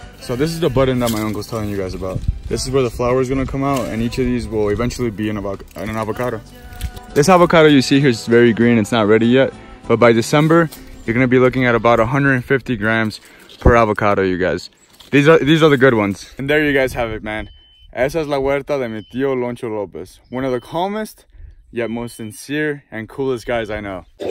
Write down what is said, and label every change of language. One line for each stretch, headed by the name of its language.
English: So this is the button that my uncle's telling you guys about. This is where the flower is gonna come out, and each of these will eventually be in an avocado. This avocado you see here is very green, it's not ready yet. But by December, you're gonna be looking at about 150 grams per avocado, you guys. These are the good ones. And there you guys have it, man.
Spanish: Esa es la huerta de mi tío Loncho López.
English: One of the calmest, yet most sincere and coolest guys I know.